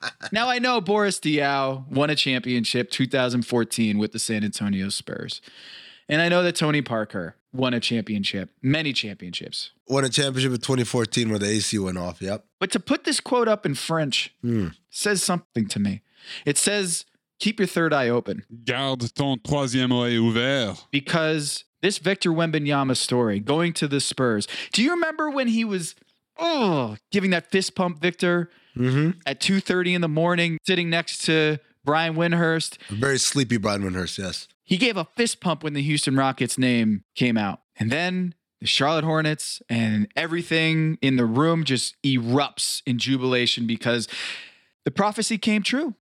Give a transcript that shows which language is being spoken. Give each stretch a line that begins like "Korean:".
English: Now, I know Boris Diaw won a championship 2014 with the San Antonio Spurs. And I know that Tony Parker won a championship, many championships. Won a championship in 2014 where the AC went off, yep. But to put this quote up in French says something to me. It says, keep your third eye open.
French: Garde ton troisième œil ouvert.
English: Because this Victor Wembanyama story, going to the Spurs. Do you remember when he was giving that fist pump, Victor, at 2:30 in the morning, sitting next to Brian Windhorst? A very sleepy Brian Windhorst, yes. He gave a fist pump when the Houston Rockets name came out. And then the Charlotte Hornets and everything in the room just erupts in jubilation because the prophecy came true.